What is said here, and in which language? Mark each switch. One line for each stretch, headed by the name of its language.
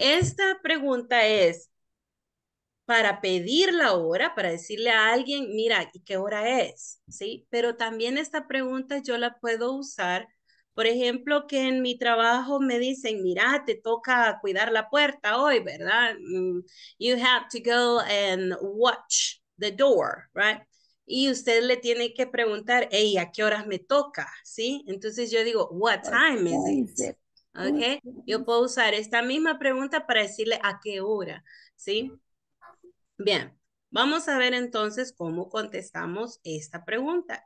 Spanish: Esta pregunta es para pedir la hora, para decirle a alguien, mira, ¿qué hora es? ¿Sí? Pero también esta pregunta yo la puedo usar, por ejemplo, que en mi trabajo me dicen, mira, te toca cuidar la puerta hoy, ¿verdad?
English: You have to go and watch the door, right?
Spanish: Y usted le tiene que preguntar, hey, ¿a qué horas me toca? ¿Sí? Entonces yo digo, what time is it? ¿Ok? Yo puedo usar esta misma pregunta para decirle a qué hora, ¿sí? Bien, vamos a ver entonces cómo contestamos esta pregunta.